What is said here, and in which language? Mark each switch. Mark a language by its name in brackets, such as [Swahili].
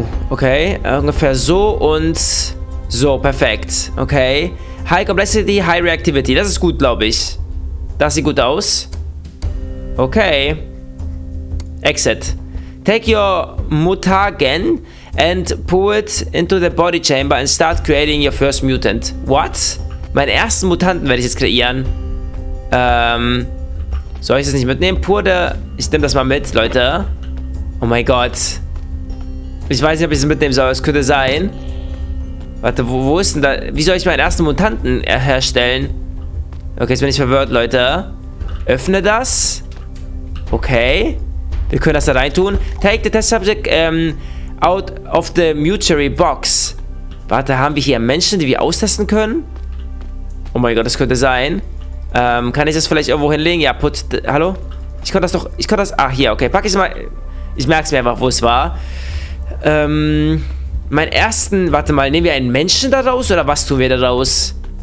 [German] Okay, ungefähr so und so, perfekt, okay. High Complexity, High Reactivity, das ist gut, glaube ich. Das sieht gut aus. Okay. Exit. [English] Take your mutagen and pull it into the body chamber and start creating your first mutant. What? [German] Meinen ersten Mutanten werde ich jetzt kreieren. Soll ich das nicht mitnehmen? Ich nehme das mal mit, Leute. Oh mein Gott. Ich weiß nicht, ob ich es mitnehmen soll, es könnte sein. Warte, wo ist denn da? Wie soll ich meinen ersten Mutanten herstellen? Okay, jetzt bin ich verwirrt, Leute. Öffne das. Okay. Wir können das da reintun. [English] Take the test subject out of the mutuary box. [German] Warte, haben wir hier Menschen, die wir austesten können? Oh mein Gott, das könnte sein. Kann ich das vielleicht irgendwo hinlegen? Ja, [English] put... [German] Hallo? Ich konnte das... Ah, hier, okay. Pack ich es mal... Ich merke es mir einfach, wo es war. Warte mal, nehmen wir einen Menschen daraus oder was tun wir daraus?